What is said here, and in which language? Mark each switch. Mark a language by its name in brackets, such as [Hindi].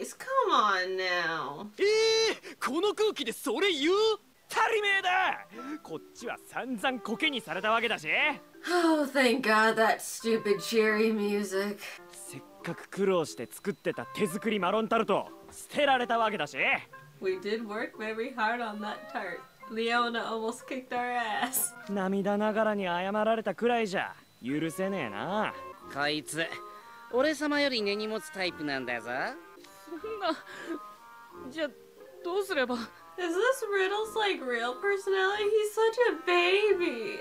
[English] Ace, come on now. [Japanese] この空気でそれ言う？足りめえだ。こっちは散々コケにされたわけだし。 [English] Oh, thank God, that stupid cherry music. [Japanese] せっかく苦労して作ってた手作りマロンタルト、捨てられたわけだし。 [English] We did work very hard on that tart. Leona almost kicked our ass. [Japanese] 涙ながらに謝られたくらいじゃ許せねえな。こいつ、俺様より根に持つタイプなんだぞ。そんな、じゃあどうすれば。 [English] Is this Riddle's like real personality? He's such a baby.